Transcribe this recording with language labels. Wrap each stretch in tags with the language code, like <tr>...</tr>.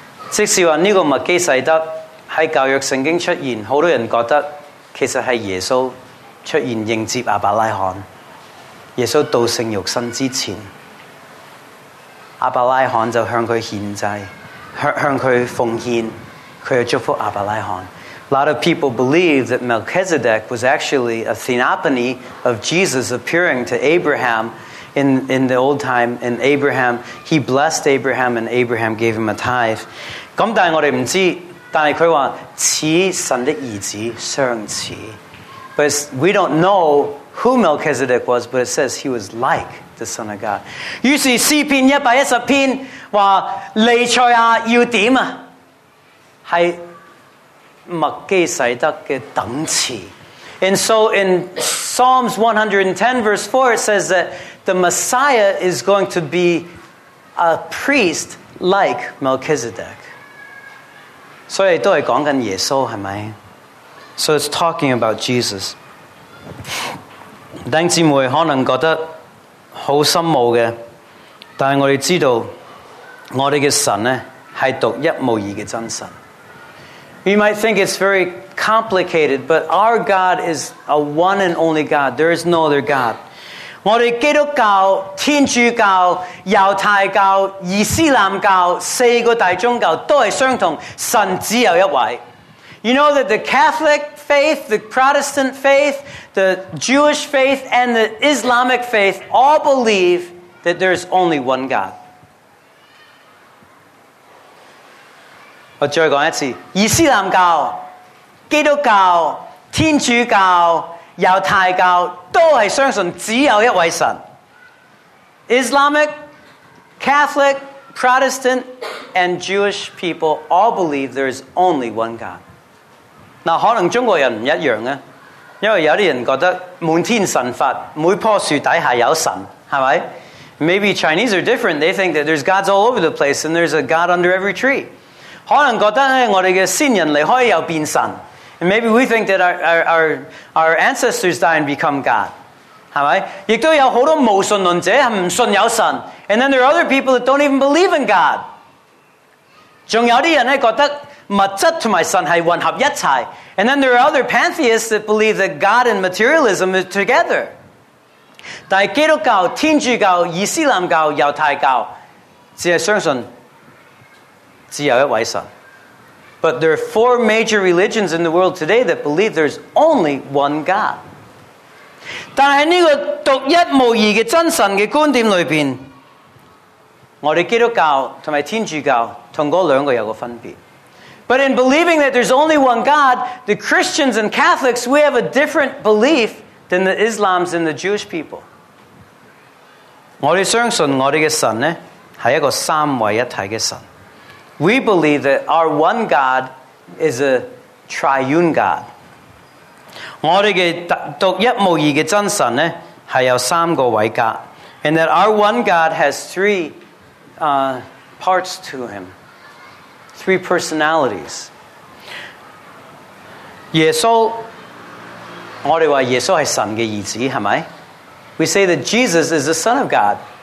<yue>即使话呢个麦基洗德喺旧约圣经出现，好多人觉得其实系耶稣出现迎接亚伯拉罕。耶稣道成肉身之前，亚伯拉罕就向佢献祭，向佢奉献，佢又祝福亚伯拉罕。</yue> <en>A lot of people believe that Melchizedek was actually a theophany of Jesus appearing to Abraham in the old time. And Abraham, he blessed Abraham and Abraham gave him a tithe.</en> <yue>咁但系我哋唔知，但系佢话似神的儿子相似。</yue> <en>But we don't know who Melchizedek was, but it says he was like the Son of God.</en> <yue>于是诗篇一百一十篇话尼赛亚要点啊？系。麦基洗德的等次。</yue> <en>And so in Psalms 110 verse 4 it says that the Messiah is going to be a priest like Melchizedek.</en> <yue>所以都是讲紧耶稣是不是？</yue> <en>So it's talking about Jesus.</en> <yue>弟兄姊妹可能觉得好深奥的，但我们知道我们的神呢是独一无二的真神。</yue> <en>You might think it's very complicated, but our God is a one and only God. There is no other God.</en> <yue>我们基督教、天主教、犹太教、伊斯兰教四个大宗教都是相同，神只有一位。</yue> <en>You know that the Catholic faith, the Protestant faith, the Jewish faith, and the Islamic faith all believe that there is only one God.</en> <yue>我再讲一次，伊斯兰教、基督教、天主教、犹太教都是相信只有一位神。</yue> <en>Islamic, Catholic, Protestant, and Jewish people all believe there is only one God.</en> <yue>那可能中国人不一样，因为有些人觉得满天神佛，每棵树底下有神，是不是？</yue> <en>Maybe Chinese are different. They think that there's gods all over the place and there's a God under every tree.</en> <yue>可能觉得我们的先人离开又变神。</yue> <en>And maybe we think that our ancestors die and become God.</en> <yue>是不是？也都有很多无神论者不信有神。</yue> <en>And then there are other people that don't even believe in God.</en> <yue>还有些人觉得物质和神是混合一齐。</yue> <en>And then there are other pantheists that believe that God and materialism is together.</en> <yue>但是基督教、天主教、伊斯兰教、犹太教只是相信只有一位神。</yue> <en>But there are four major religions in the world today that believe there's only one God.</en> <yue>但是这个独一无二的真神的观点里面，我们基督教和天主教跟那两个有个分别。</yue> <en>But in believing that there's only one God, the Christians and Catholics, we have a different belief than the Islams and the Jewish people.</en> <yue>我们相信我们的神呢是一个三位一体的神。</yue> <en>We believe that our one God is a triune God.</en> <yue>我们的独一无二的真神呢是有三个位格。</yue> <en>And that our one God has three parts to him. Three personalities.</en> <yue>耶稣，我们说耶稣是神的儿子，是不是？</yue> <en>We say that Jesus is the Son of God.</en>